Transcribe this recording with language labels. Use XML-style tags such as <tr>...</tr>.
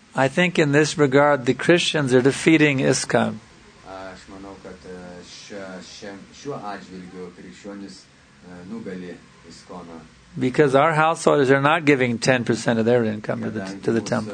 <en>I think in this regard the Christians are defeating ISKCON.</en> <lt>Aš manau, kad šiuo atžvilgiu krikščionis nugali ISKCON-ą.</lt> <en>Because our householders are not giving 10% of their income to the temple.</en>